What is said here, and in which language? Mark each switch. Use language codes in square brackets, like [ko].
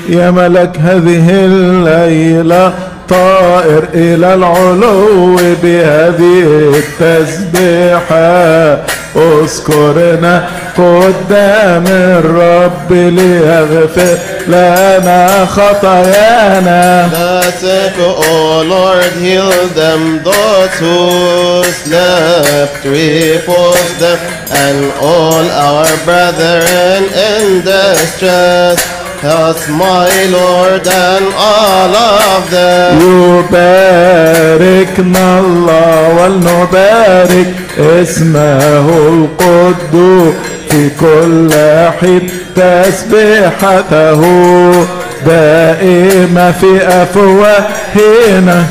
[ar] ملك هذه الليلة طائر إلى العلو بهذه التسبيحة اذكرنا قدام الرب ليغفر لنا خطايانا [en] Blessed, O Lord, heal them, those who slept, repose them, and all our brethren in distress. Yes, my Lord, and all of them. [ar] يباركنا الله ولنبارك اسمه القدوس في كل حين تسبيحته دائما في أفواهنا